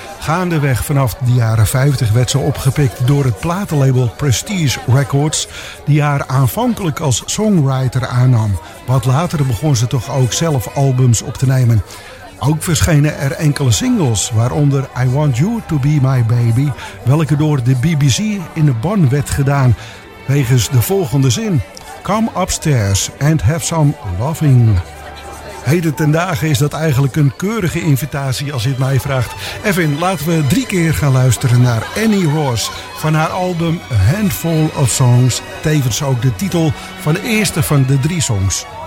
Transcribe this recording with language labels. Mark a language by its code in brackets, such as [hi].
[nl] Gaandeweg vanaf de jaren 50 werd ze opgepikt door het platenlabel Prestige Records, die haar aanvankelijk als songwriter aannam. Wat later begon ze toch ook zelf albums op te nemen. Ook verschenen er enkele singles, waaronder I Want You To Be My Baby, welke door de BBC in de ban werd gedaan, wegens de volgende zin. [en] Come upstairs and have some loving. [nl] Heden ten dagen is dat eigenlijk een keurige invitatie als je het mij vraagt. Evan, laten we drie keer gaan luisteren naar Annie Rawls van haar album A Handful of Songs, tevens ook de titel van de eerste van de drie songs.